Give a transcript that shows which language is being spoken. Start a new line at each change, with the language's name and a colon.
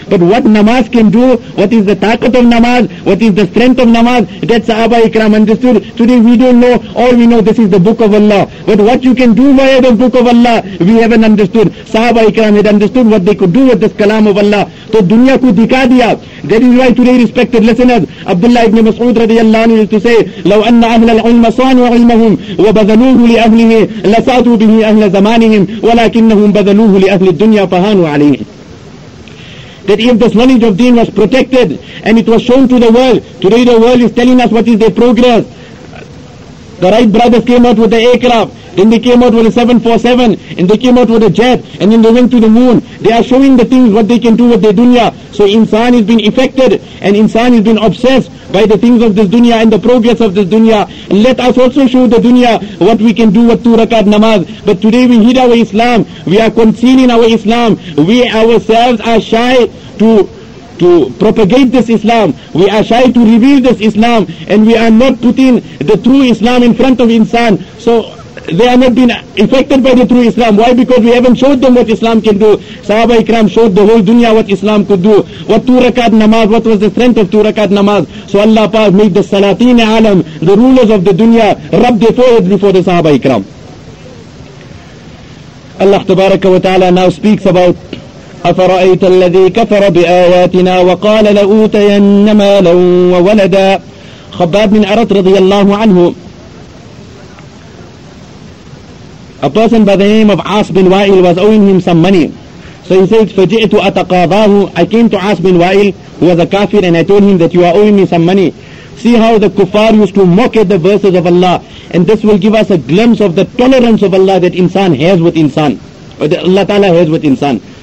English: But what namaz can do, what is the taqat of namaz, what is the strength of namaz, that Sahaba ikram understood. Today we don't know. All we know, this is the book of Allah. But what you can do via the book of Allah, we haven't understood. Sahaba ikram had understood what they could do with this kalam of Allah.
Urdu: So dunya ko dikha diya.
English: That is why today, respected listeners, Abdullah ibn Mas'ud radiyallahu anhu used to say,
Arabic: لو أن أهل العلم صانوا علمهم وبذلوه لأهله لساتوا به أهل زمانهم ولكنهم بذلوه لأهل الدنيا فهانوا عليهم.
English: that if this knowledge of deen was protected and it was shown to the world, today the world is telling us what is their progress. The Wright brothers came out with the aircraft, then they came out with a 747, and they came out with a jet, and then they went to the moon. They are showing the things what they can do with their dunya. So insan has been affected, and insan has been obsessed by the things of this dunya and the progress of this dunya. And let us also show the dunya what we can do with 2 rakat namaz. But today we hid our Islam, we are concealing our Islam, we ourselves are shy to propagate this Islam, we are shy to reveal this Islam, and we are not putting the true Islam in front of insan. So they are not being affected by the true Islam. Why? Because we haven't showed them what Islam can do. Sahaba Ikram showed the whole dunya what Islam could do. What 2 rakat namaz, what was the strength of 2 rakat namaz. So Allah Paak made the salateen alam, the rulers of the dunya, rub their foreheads before the Sahaba Ikram. Allah Tabaraka wa Ta'ala now speaks about
Arabic: أفرأيت الذي كفر بآياتنا وقال لأوتين مالا وولدا.
English: خباب بن أرط رضي الله عنه, a person by the name of As bin Wail was owing him some money. So he said,
Arabic: فجئت أتقاضاه.
English: I came to As bin Wail, who was a kafir, and I told him that you are owing me some money. See how the kuffar used to mock at the verses of Allah, and this will give us a glimpse of the tolerance of Allah that insan has with insan, or that Allah Ta'ala has with insan.